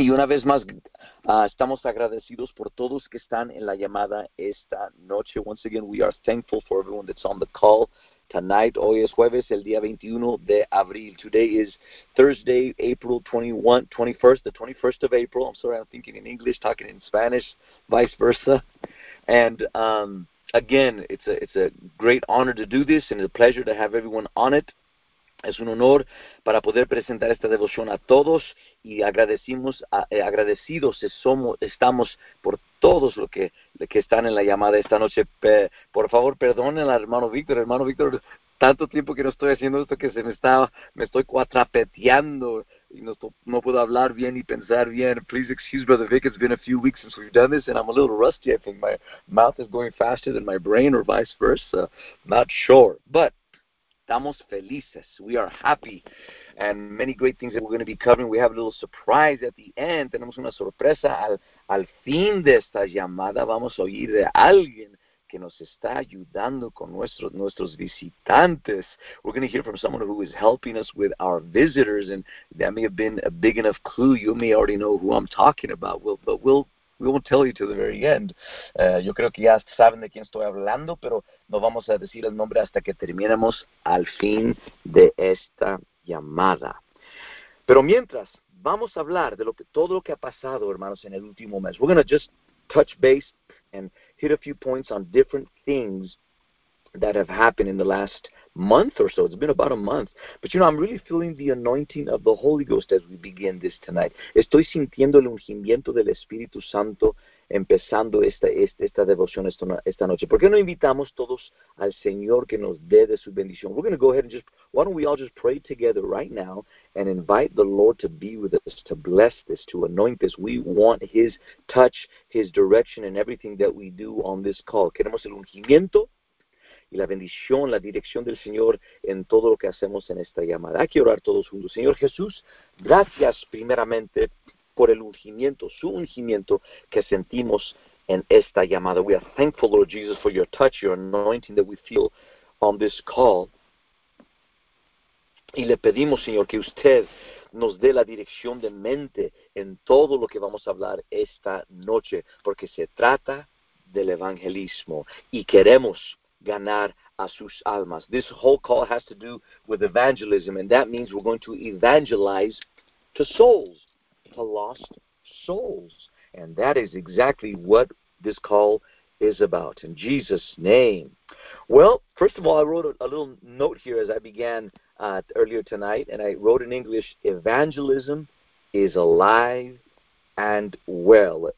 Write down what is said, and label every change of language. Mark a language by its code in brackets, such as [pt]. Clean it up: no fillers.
[es] Y una vez más, estamos agradecidos por todos que están en la llamada esta noche. [en] Once again, we are thankful for everyone that's on the call tonight. [es] Hoy es jueves, el día 21 de abril. [en] Today is Thursday, April 21, 21st, the 21st of April. I'm sorry, I'm thinking in English, talking in Spanish, vice versa. And again, it's a great honor to do this and a pleasure to have everyone on it. [es] Es un honor para poder presentar esta devoción a todos y agradecidos estamos por todos los que están en la llamada esta noche. Por favor, perdónenle, hermano Víctor, tanto tiempo que no estoy haciendo esto que me estoy cuatrapeteando y no puedo hablar bien y pensar bien. [en] Please excuse, Brother Vic, it's been a few weeks since we've done this and I'm a little rusty. I think my mouth is going faster than my brain or vice versa. Not sure, but [es] estamos felices. [en] We are happy. And many great things that we're going to be covering. We have a little surprise at the end. [es] Tenemos una sorpresa al fin de esta llamada. Vamos a oír de alguien que nos está ayudando con nuestros visitantes. [en] We're going to hear from someone who is helping us with our visitors. And that may have been a big enough clue. You may already know who I'm talking about. We won't tell you till the very end. [es] Yo creo que ya saben de quién estoy hablando, pero no vamos a decir el nombre hasta que terminemos al fin de esta llamada. Pero mientras, vamos a hablar de todo lo que ha pasado, hermanos, en el último mes. [en] We're going to just touch base and hit a few points on different things that have happened in the last month or so. It's been about a month. But you know, I'm really feeling the anointing of the Holy Ghost as we begin this tonight. [es] Estoy sintiendo el ungimiento del Espíritu Santo empezando esta devoción esta noche. ¿Por qué no invitamos todos al Señor que nos dé de su bendición? [en] We're going to go ahead and just, why don't we all just pray together right now and invite the Lord to be with us, to bless this, to anoint this. We want His touch, His direction in everything that we do on this call. [es] Queremos el ungimiento y la bendición, la dirección del Señor en todo lo que hacemos en esta llamada. Hay que orar todos juntos. Señor Jesús, gracias primeramente por el ungimiento, su ungimiento que sentimos en esta llamada. [en] We are thankful, Lord Jesus, for your touch, your anointing that we feel on this call. [es] Y le pedimos, Señor, que usted nos dé la dirección de mente en todo lo que vamos a hablar esta noche, porque se trata del evangelismo y queremos ganar a sus almas. [en] This whole call has to do with evangelism, and that means we're going to evangelize to souls, to lost souls. And that is exactly what this call is about, in Jesus' name. Well, first of all, I wrote a little note here as I began earlier tonight, and I wrote in English, evangelism is alive and well.